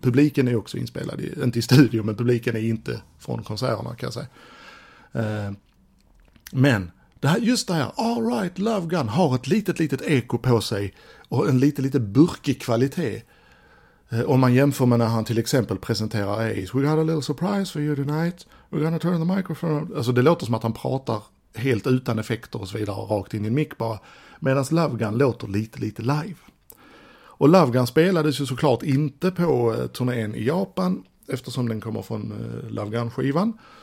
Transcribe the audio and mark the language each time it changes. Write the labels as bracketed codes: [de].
[sv] Publiken är också inspelad, inte i studio, men publiken är inte från konserterna kan jag säga. Men det här, just det här, All Right Love Gun, har ett litet eko på sig och en lite burkig kvalitet. Om man jämför med när han till exempel presenterar Ace. [en] We got a little surprise for you tonight. We're gonna turn the microphone. [sv] Alltså det låter som att han pratar helt utan effekter och så vidare, rakt in i en mic bara. Medan Love Gun låter lite live. Och Love Gun spelades ju såklart inte på turnén i Japan eftersom den kommer från Love Gun-skivan.